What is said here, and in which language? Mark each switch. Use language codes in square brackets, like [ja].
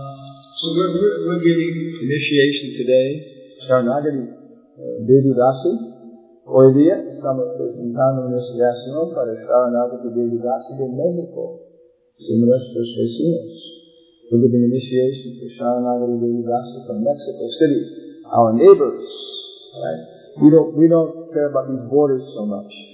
[en] We're giving initiation today. Sharanagati Devi Dasi. [es] Hoy día estamos presentando iniciación para Sharanagati Devi Dasi de México. Nuestros vecinos. [en] We're giving initiation for Sharanagati Devi Dasi from Mexico City. Our neighbors. Right? We don't care about these borders so much.